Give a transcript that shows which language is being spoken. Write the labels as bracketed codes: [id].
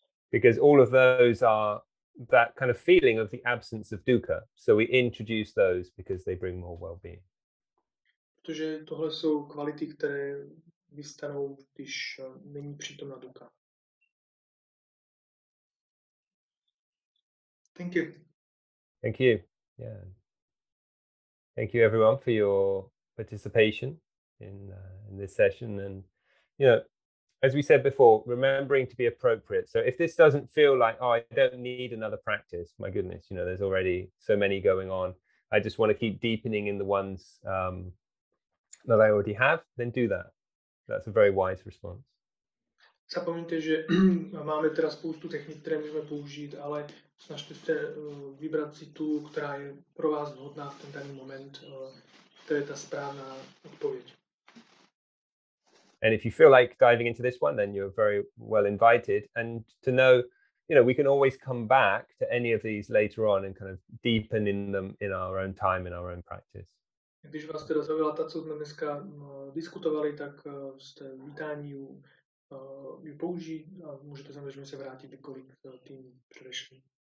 [en] Because all of those are that kind of feeling of the absence of dukkha. So we introduce those because they bring more well-being. [cs] Protože tohle jsou kvality, které vystanou, když není přítomna dukkha. [en] Thank you. Thank you. Yeah. Thank you everyone for your participation in this session. And you know, as we said before, remembering to be appropriate. So if this doesn't feel like, oh, I don't need another practice, my goodness, you know, there's already so many going on. I just want to keep deepening in the ones that I already have, then do that. That's a very wise response. [cs] Zapomeňte, že máme teda spoustu technik, které můžeme použít, ale snažte se vybrat si tu, která je pro vás vhodná v ten daný moment, to je ta správná odpověď. [en] And if you feel like diving into this one, then you're very well invited. And to know, you know, we can always come back to any of these later on and kind of deepen in them in our own time, in our own practice. [cs] Když vás teda zavěla ta, co jsme dneska diskutovali, tak jste vítání ji použít a můžete samozřejmě se vrátit kdykoliv tým předešlý.